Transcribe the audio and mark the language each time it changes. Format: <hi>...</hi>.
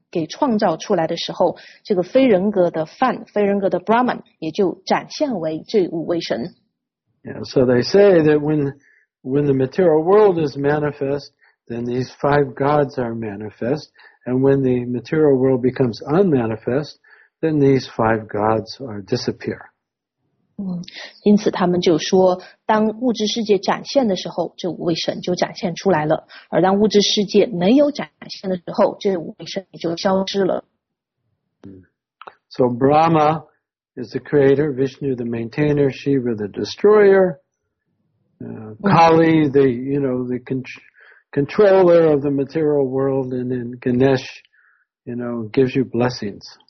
<zh>给创造出来的时候，这个非人格的梵，非人格的 Brahman 也就展现为这五位神。</zh> <en>Yeah, so they say that when the material world is manifest, then these five gods are manifest, and when the material world becomes unmanifest, then these five gods are disappear.</en> <zh>因此他们就说，当物质世界展现的时候，这五位神就展现出来了；而当物质世界没有展现的时候，这五位神也就消失了。</zh> <en>So Brahma is the creator, Vishnu the maintainer, Shiva the destroyer, Kali the, you know, the controller of the material world, and then Ganesh, you know, gives you blessings.</en>